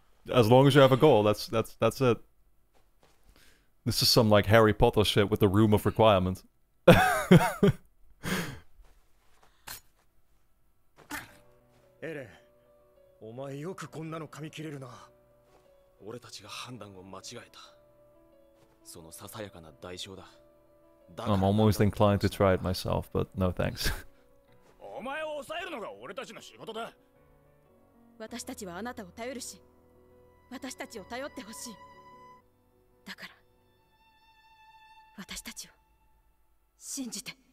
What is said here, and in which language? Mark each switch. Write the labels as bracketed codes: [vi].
[en] As long as you have a goal, that's it. This is some like Harry Potter shit with the room of requirement. [ja] Ere, お前よくこんなの噛み切れるな。俺たちが判断を間違えた。そのささやかな代償だ。 [en] I'm almost inclined to try it myself, but no thanks. [ja] お前を抑えるのが俺たちの仕事だ。私たちはあなたを頼るし、私たちを頼ってほしい。だから、私たちを信じて。